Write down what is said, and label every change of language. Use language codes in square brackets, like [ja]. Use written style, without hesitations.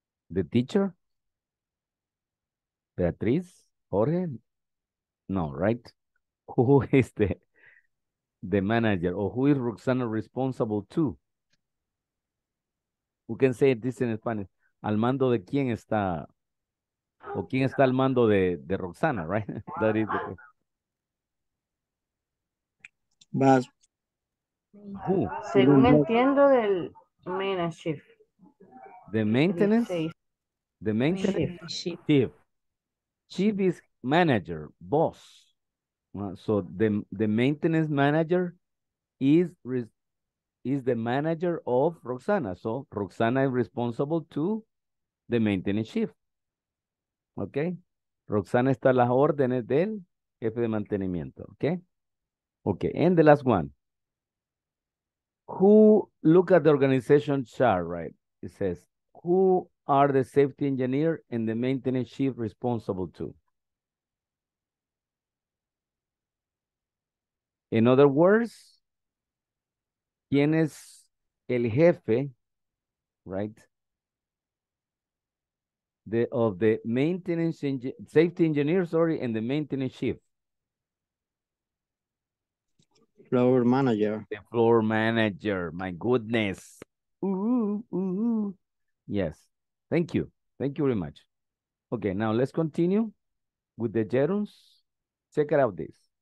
[en] The teacher? Beatriz? Jorge? No, right? Who is the manager, or who is Roxana responsible to? We can say this in Spanish. [es] Al mando de quién está, o quién está al mando de Roxana, right? [en] That is the question. Who? [es] Según entiendo, del [en] maintenance chief. The maintenance? The maintenance chief. Chief is manager, boss. So the maintenance manager is the manager of Roxana. So Roxana is responsible to the maintenance chief. Okay? [es] Roxana está a las órdenes del jefe de mantenimiento. [en] Okay? Okay, and the last one. Who, look at the organization chart, right? It says, who are the safety engineer and the maintenance chief responsible to? In other words, [es] ¿quién es el jefe, right? [en] Of the safety engineer, and the maintenance chief. Floor manager. The floor manager, my goodness. Ooh, ooh, ooh. Yes, thank you. Thank you very much. Okay, now let's continue with the gerunds. Check out this.